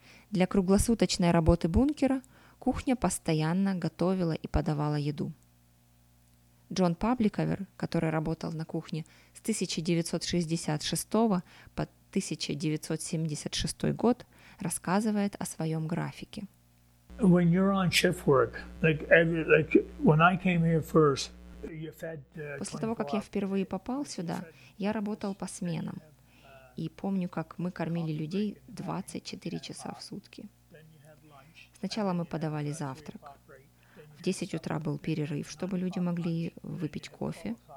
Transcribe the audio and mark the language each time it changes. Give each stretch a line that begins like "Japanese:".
Russian: Для круглосуточной работы бункера кухня постоянно готовила и подавала еду. Джон Пабликовер, который работал на кухне с 1966 по 1976 год, рассказывает о своем графике.
English: When you're on shift work, like when I came here first,
Russian: После того, как я впервые попал сюда, я работал по сменам. И помню, как мы кормили людей 24 часа в сутки. Сначала мы подавали завтрак. В 10 утра был перерыв, чтобы люди могли выпить кофе.